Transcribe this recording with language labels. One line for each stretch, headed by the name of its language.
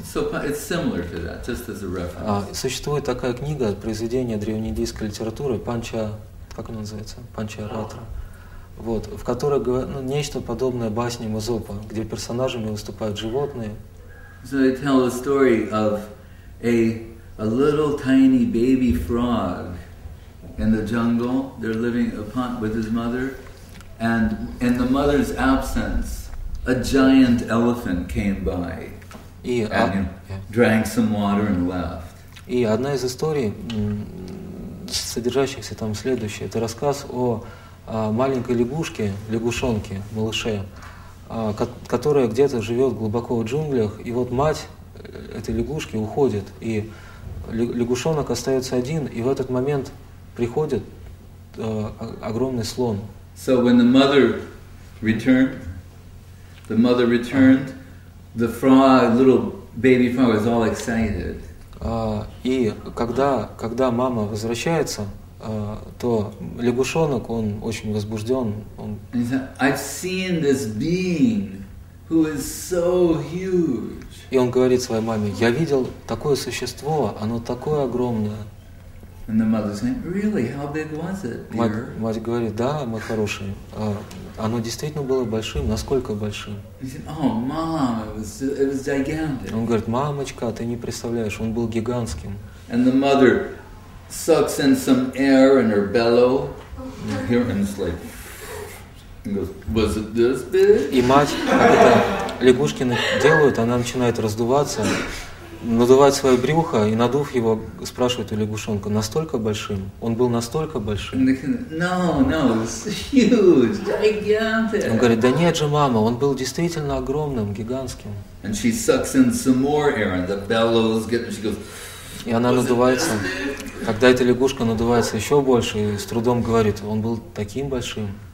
English: So it's similar to that, just as a reference.
Russian: Существует такая книга, произведение древнеиндийской литературы, Панча, как она называется? Панчаратра. Вот, в которой нечто подобное басням Эзопа, где персонажами выступают животные.
English: So they tell a story of a little tiny baby frog in the jungle. They're living upon with his mother, and in the mother's absence, a giant elephant came by and drank some water and left.
Russian: И одна из историй, содержащихся там следующее, это рассказ о маленькой лягушки, лягушонки, малышей, которая где-то живет глубоко в джунглях, и вот мать этой лягушки уходит, и лягушонок остается один, и в этот момент приходит огромный слон.
English: So when the mother returned, the frog, little baby frog, was all excited.
Russian: И когда мама возвращается, то лягушонок, он очень возбужден. Он...
English: I've seen this being who is so huge.
Russian: И он говорит своей маме: я видел такое существо, оно такое огромное.
English: And the mother said, really, how big was it, dear?
Russian: Мать говорит: да, мой хороший, оно действительно было большим, насколько большим?
English: He said, oh, mom, it was gigantic.
Russian: Он говорит: мамочка, ты не представляешь, он был гигантским.
English: And the mother sucks in some air in her bellow. Here, and it's like, was it this big?
Russian: И мать, как это лягушки делают, она начинает раздуваться. Надувать свое брюхо, и надув его, спрашивает у лягушонка: настолько большим? Он был настолько большим?
English: No, huge, gigantic.
Russian: Он говорит: да нет же, мама, он был действительно огромным, гигантским.
English: And she sucks in some more air, and the bellows get, she goes,
Russian: и она надувается. Когда эта лягушка надувается еще больше, и с трудом говорит: он был таким большим.